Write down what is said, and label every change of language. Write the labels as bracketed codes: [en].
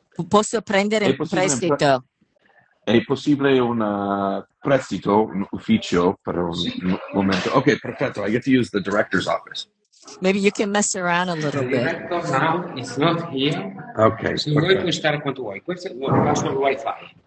[it] Posso prendere in prestito? È possibile un prestito, un ufficio per un momento. Okay, perfetto. [en] I get to use the director's office. Maybe you can mess around a little bit. The director now is not here. Okay. [it] Se vuoi puoi stare quanto vuoi. Questo è il password Wi-Fi.